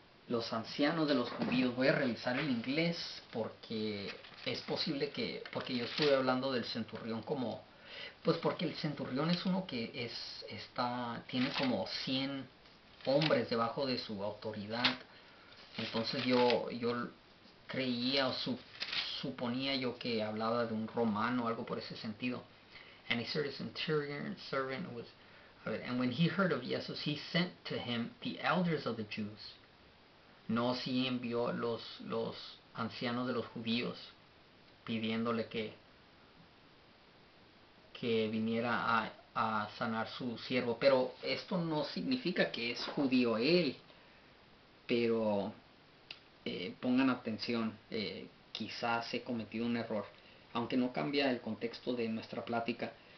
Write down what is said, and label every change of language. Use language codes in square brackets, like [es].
[es] los ancianos de los judíos. Voy a revisar en inglés porque es posible que, porque yo estuve hablando del centurión como, pues porque el centurión es uno que es, está, tiene como 100 hombres debajo de su autoridad. Entonces yo creía o suponía yo que hablaba de un romano o algo por ese sentido. [en] And he said his centurion servant was, and when he heard of Jesus, he sent to him the elders of the Jews. [es] No, sí envió los ancianos de los judíos pidiéndole que viniera a sanar su siervo. Pero esto no significa que es judío él. Pero pongan atención, quizás he cometido un error, aunque no cambia el contexto de nuestra plática.